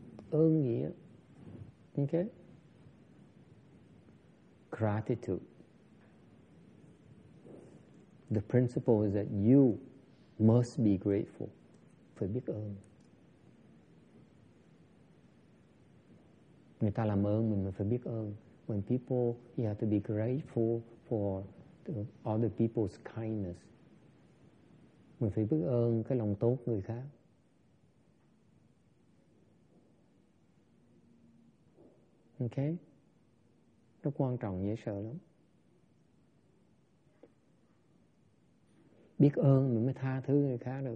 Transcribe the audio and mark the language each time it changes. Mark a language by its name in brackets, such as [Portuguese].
[Vietnamese] Ơn nghĩa. Okay. [English] Gratitude. The principle is that you must be grateful. [Vietnamese] Phải biết ơn. Người ta làm ơn mình phải biết ơn. [English] When people, you have to be grateful for other people's kindness. [Vietnamese] Mình phải biết ơn cái lòng tốt người khác. Ok? Rất quan trọng, dễ sợ lắm. Biết ơn mình mới tha thứ người khác được.